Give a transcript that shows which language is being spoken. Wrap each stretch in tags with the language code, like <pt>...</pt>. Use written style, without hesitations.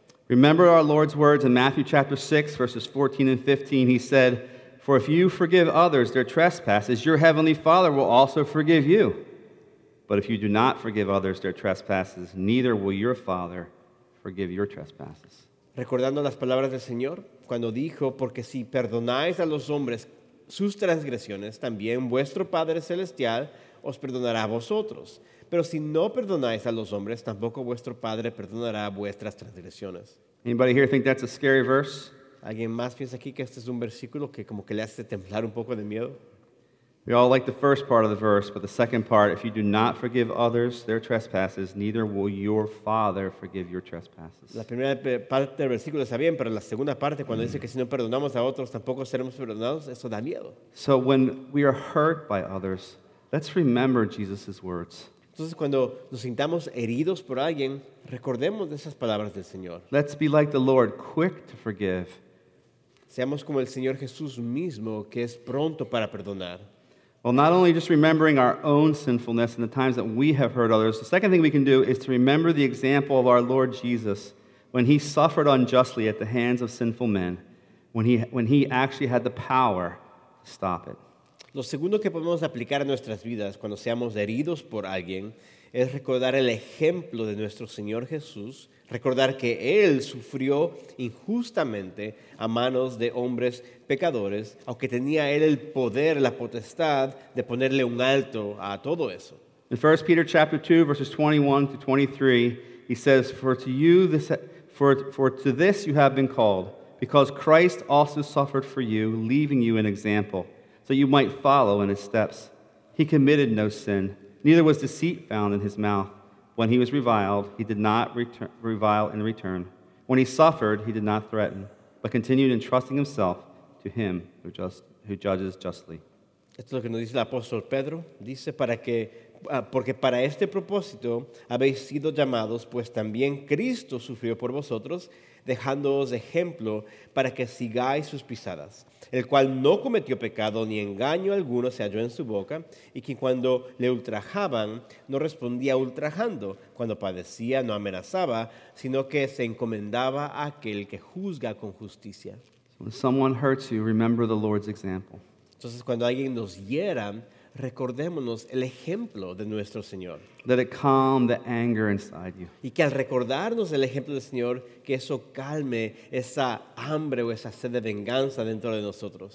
<en>Remember our Lord's words in Matthew chapter 6, verses 14 and 15. He said, "For if you forgive others their trespasses, your heavenly Father will also forgive you. But if you do not forgive others their trespasses, neither will your Father forgive your trespasses."</en> <es>Recordando las palabras del Señor, cuando dijo, "Porque si perdonáis a los hombres sus transgresiones, también vuestro Padre celestial os perdonará a vosotros. Pero si no perdonáis a los hombres, tampoco vuestro Padre perdonará vuestras transgresiones."</es> <en>Anybody here think that's a scary verse?</en> <es>¿Alguien más piensa aquí que este es un versículo que como que le hace temblar un poco de miedo?</es> <en>We all like the first part of the verse, but the second part, if you do not forgive others their trespasses, neither will your Father forgive your trespasses.</en> <es>La primera parte del versículo está bien, pero la segunda parte, cuando dice que si no perdonamos a otros, tampoco seremos perdonados, eso da miedo.</es> <en>So when we are hurt by others, let's remember Jesus' words.</en> <es>Entonces, cuando nos sintamos heridos por alguien, recordemos de esas palabras del Señor.</es> <en>Let's be like the Lord, quick to forgive.</en> <es>Seamos como el Señor Jesús mismo, que es pronto para perdonar.</es> <en>Well, not only just remembering our own sinfulness and the times that we have hurt others, the second thing we can do is to remember the example of our Lord Jesus when he suffered unjustly at the hands of sinful men, when he actually had the power to stop it.</en> <es>Lo segundo que podemos aplicar a nuestras vidas cuando seamos heridos por alguien es recordar el ejemplo de nuestro Señor Jesús, recordar que Él sufrió injustamente a manos de hombres pecadores, aunque tenía Él el poder, la potestad de ponerle un alto a todo eso.</es> <en>In 1 Peter chapter 2, verses 21 to 23, he says, For to this you have been called, because Christ also suffered for you, leaving you an example, so you might follow in his steps. He committed no sin, neither was deceit found in his mouth. When he was reviled, he did not revile in return. When he suffered, he did not threaten, but continued entrusting himself to him who judges justly.</en> <es>Esto es lo que nos dice el apóstol Pedro. Dice, porque para este propósito habéis sido llamados, pues también Cristo sufrió por vosotros, dejándoos ejemplo para que sigáis sus pisadas, el cual no cometió pecado ni engaño alguno se halló en su boca, y quien cuando le ultrajaban no respondía ultrajando, cuando padecía no amenazaba, sino que se encomendaba a aquel que juzga con justicia.</es> <en>When someone hurts you, remember the Lord's example.</en> <es>Entonces, cuando alguien nos hiera, recordémonos el ejemplo de nuestro Señor.</es> <en>Let it calm the anger inside you.</en> <es>Y que al recordarnos el ejemplo del Señor, que eso calme esa hambre o esa sed de venganza dentro de nosotros.</es>